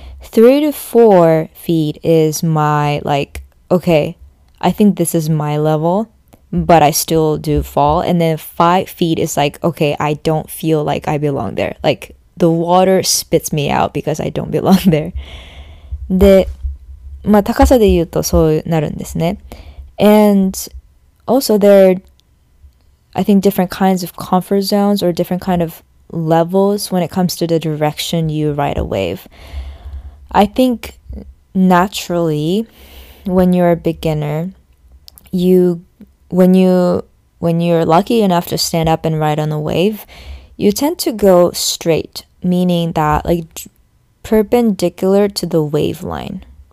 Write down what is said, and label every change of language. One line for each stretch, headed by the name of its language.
English: 3 to 4 feet is my like, okay, I think this is my level, but I still do fall. And then 5 feet is like, okay, I don't feel like I belong there. Like the water spits me out because I don't belong there.
Japanese: で、まあ高さで言うとそうなるんですね。
English: And also, there are, I think, different kinds of comfort zones or different kind of levels when it comes to the direction you ride a wave. I think, naturally, when you're a beginner, when you're lucky enough to stand up and ride on a wave, you tend to go straight, meaning that, like, perpendicular to the wave line.